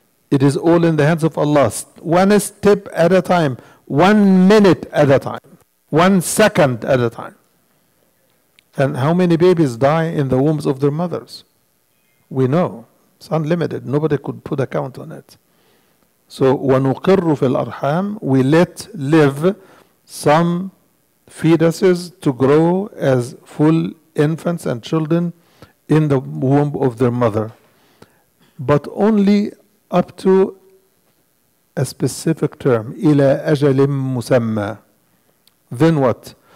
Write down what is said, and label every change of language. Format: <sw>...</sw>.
<en>It is all in the hands of Allah. One step at a time. 1 minute at a time. 1 second at a time. And how many babies die in the wombs of their mothers? We know. It's unlimited. Nobody could put a count on it.</en> <ar>So, وَنُقِرُّ فِي الْأَرْحَامِ.</ar> <en>We let live some fetuses to grow as full infants and children in the womb of their mother. But only up to a specific term.</en> <ar>إِلَىٰ أَجَلٍ مُسَمَّى. Then what?</ar>